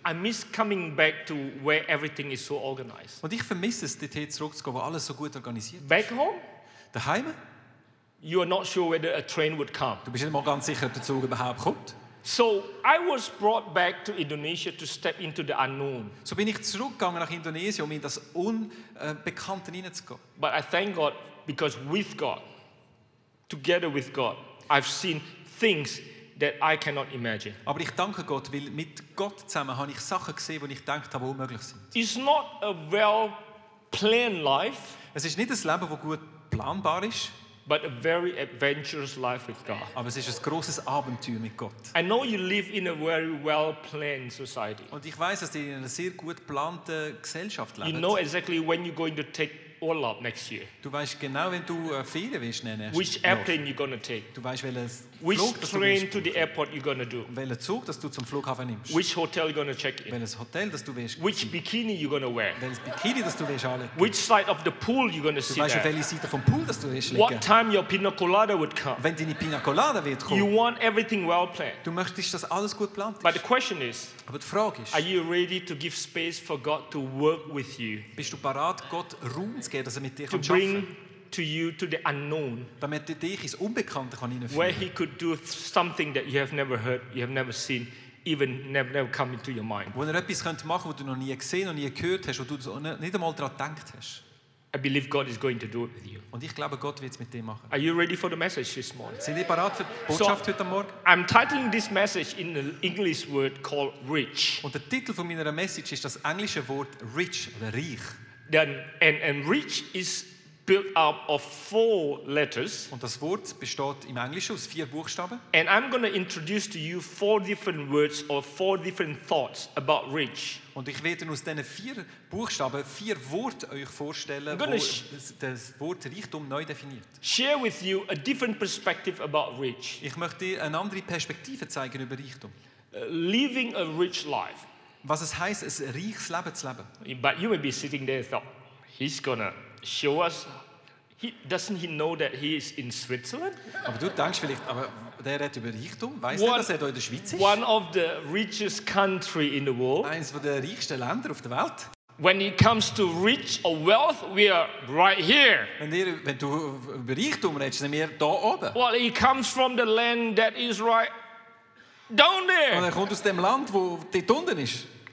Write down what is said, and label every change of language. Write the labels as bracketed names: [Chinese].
[English] I miss coming back to where everything is so organized. [German] Und ich vermisse es, dorthin zurückzugehen, wo alles so gut organisiert ist. [English] Back home? [German] Daheim? [English] You are not sure whether a train would come. [German] Du bist nicht mal ganz sicher, ob der Zug überhaupt kommt. [English] So I was brought back to Indonesia to step into the unknown. [German] So bin ich zurückgegangen nach Indonesien, um in das Unbekannte hineinzugehen. [English] But I thank God because with God, together with God, I've seen things that I cannot imagine. [German] Aber ich danke Gott, weil mit Gott zusammen habe ich Sachen gesehen, wo ich gedacht habe, unmöglich sind. [English] It's not a well-planned life. [German] Es ist nicht ein Leben, das gut planbar ist. [English] But a very adventurous life with God. [German] Aber es ist ein grosses Abenteuer mit Gott. [English] I know you live in a very well-planned society. [German] Und ich weiß, dass ihr in einer sehr gut geplanten Gesellschaft lebt. [English] You know exactly when you're going to take Urlaub next year. [German] Du weißt genau, wenn du Ferien willst nennen. [English] Which airplane you're gonna take? [German] Du weißt, welches [English] Which [German] Flug, [English] train to the airport you're gonna do? [German] Welchen Zug, dass du zum Flughafen nimmst? [English] Which hotel you're gonna check in? [German] Welches Hotel, dass du willst? [English] Which bikini you're gonna wear? [German] Welches Bikini, dass du willst anlegen? [English] Which side of the pool you're gonna sit? [German] Du weißt, welche Seite vom Pool, dass du willst [English] What [German] legen? [English] Time your pina colada would come? [German] Wenn deine Pina Colada wird kommen. [English] You want everything well planned. [German] Du möchtest, dass alles gut geplant ist. [English] But the question is. [German] Aber die Frage ist. [English] Are you ready to give space for God to work with you? [German] Bist du bereit, Gott Raum zu geben, dass er mit dir [English] to bring to you to the unknown, [German] damit er dich ins Unbekannte kann, [English] where he could do something that you have never heard, you have never seen, even never come into your mind. [German] Wo er etwas könnte machen, wo du noch nie gesehen und nie gehört hast, wo du nicht einmal daran gedacht hast. [English] I believe God is going to do it with you. [German] Und ich glaube, Gott wird es mit dir machen. [English] Are you ready for the message this morning? [German] Sind ihr bereit für die Botschaft heute Morgen? [English] I'm titling this message in an English word called rich. [German] Und der Titel von meiner Message ist das englische Wort rich oder reich. [English] Then and rich is built up of four letters. [German] Und das Wort besteht im Englischen aus vier Buchstaben. [English] And I'm going to introduce to you four different words or four different thoughts about rich. [German] Und ich werde aus diesen vier Buchstaben vier Worte euch vorstellen, wo das Wort Reichtum neu definiert. [English] Share with you a different perspective about rich. [German] Ich möchte eine andere Perspektive zeigen über Reichtum. [English] Living a rich life. [German] Was es heißt, ein reiches Leben zu leben. [English] But you may be sitting there and thought, he's gonna show us. Doesn't he know that he is in Switzerland? [German] Aber du denkst vielleicht, aber der redet über Reichtum. Weißt du, dass er da in der Schweiz ist? [English] One of the richest country in the world. [German] Eins von den reichsten Ländern auf der Welt. [English] When it comes to rich or wealth, we are right here. [German] Wenn du über Reichtum redest, sind wir da oben. [English] Well, he comes from the land that is right. Down there. [German] Und er kommt aus dem Land, wo dort unten ist.